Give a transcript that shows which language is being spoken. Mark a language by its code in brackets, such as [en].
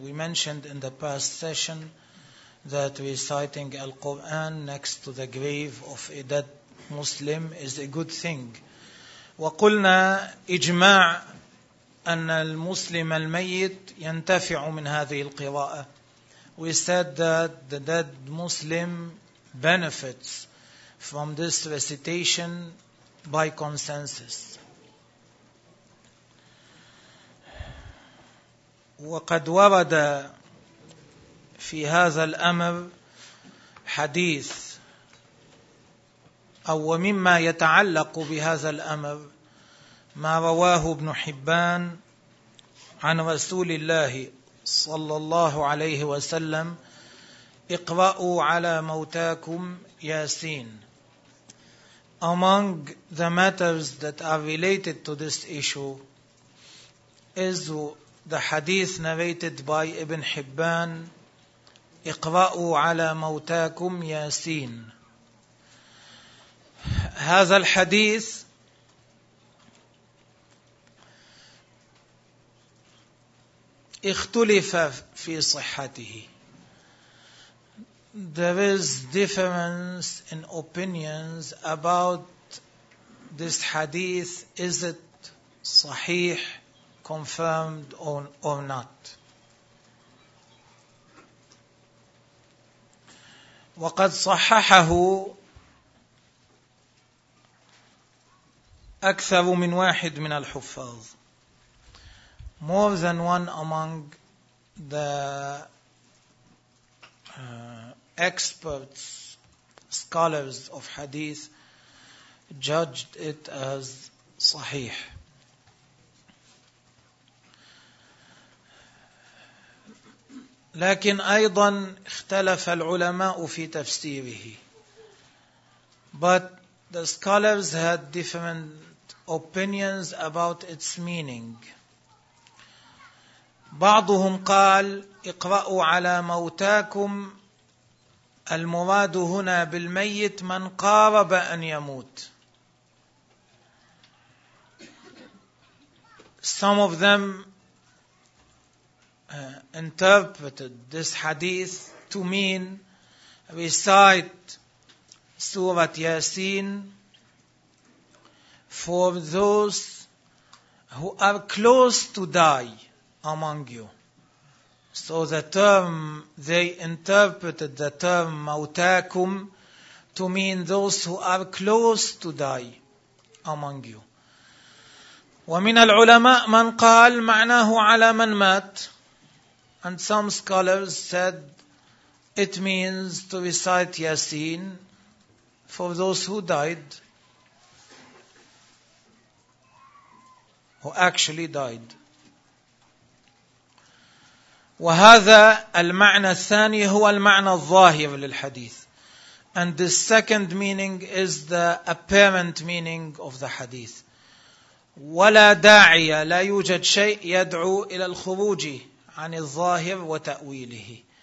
[en] We mentioned in the past session that reciting Al-Quran next to the grave of a dead Muslim is a good thing. [ar] وقلنا إجماع أن المسلم الميت ينتفع من هذه القراءة. [en] We said that the dead Muslim benefits from this recitation by consensus. [ar] وقد ورد في هذا الأمر حديث أو مما يتعلق بهذا الأمر ما رواه ابن حبان عن رسول الله صلى الله عليه وسلم: اقرأوا على موتاكم ياسين. [en] Among the matters that are related to this issue is the hadith narrated by Ibn Hibban: [ar] اقرأوا على موتاكم ياسين. هذا الحديث اختلف في صحته. [en] There is difference in opinions about this hadith. Is it صحيح, confirmed or not? [ar] وقد صححه أكثر من واحد من الحفاظ. [en] More than one among the experts, scholars of hadith, judged it as صحيح. [ar] لكن أيضا اختلف العلماء في تفسيره. [en] But the scholars had different opinions about its meaning. [ar] بعضهم قال اقرأوا على موتاكم, المراد هنا بالميت من قارب أن يموت. [en] Some of them interpreted this hadith to mean recite سورة ياسين for those who are close to die among you. So the term, they interpreted the term mawtakum to mean those who are close to die among you. [ar] ومن العلماء من قال معناه على من مات. [en] And some scholars said it means to recite Yasin for those who died, who actually died. [ar] وهذا المعنى الثاني هو المعنى الظاهر للحديث. [en] And the second meaning is the apparent meaning of the hadith. [ar] ولا داعي, لا يوجد شيء يدعو إلى الخروج عن الظاهر وتأويله.